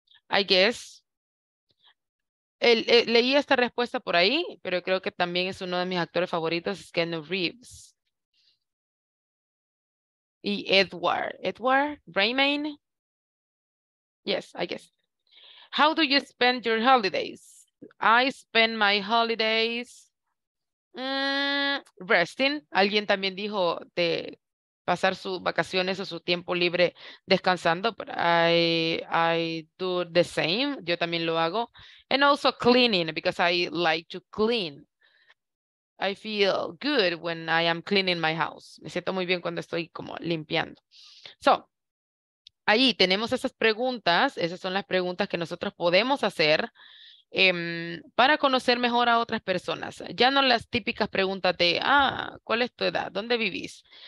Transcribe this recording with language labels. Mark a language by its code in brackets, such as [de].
[en] I guess [es] leí esta respuesta por ahí, pero creo que también es uno de mis actores favoritos, es Keanu Reeves y Edward Raymond. [en] Yes, I guess. How do you spend your holidays? I spend my holidays resting. [es] Alguien también dijo de pasar sus vacaciones o su tiempo libre descansando. [en] But I do the same. [es] Yo también lo hago. [en] And also cleaning, because I like to clean. I feel good when I am cleaning my house. [es] Me siento muy bien cuando estoy como limpiando. So, ahí tenemos esas preguntas. Esas son las preguntas que nosotros podemos hacer para conocer mejor a otras personas. Ya no las típicas preguntas de, ah, ¿cuál es tu edad? ¿Dónde vivís?